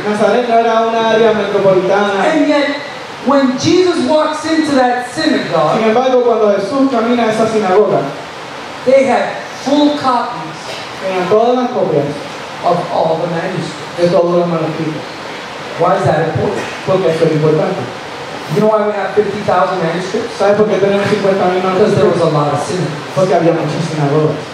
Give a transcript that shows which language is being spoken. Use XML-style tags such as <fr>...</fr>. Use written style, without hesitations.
<en>And yet, when Jesus walks into that synagogue,</en> <es>sin embargo, cuando Jesús camina a esa sinagoga,</es> <en>they had full copies of all the manuscripts. Why is that important? You know why we have 50,000 manuscripts? Because there was a lot of synagogues.</en>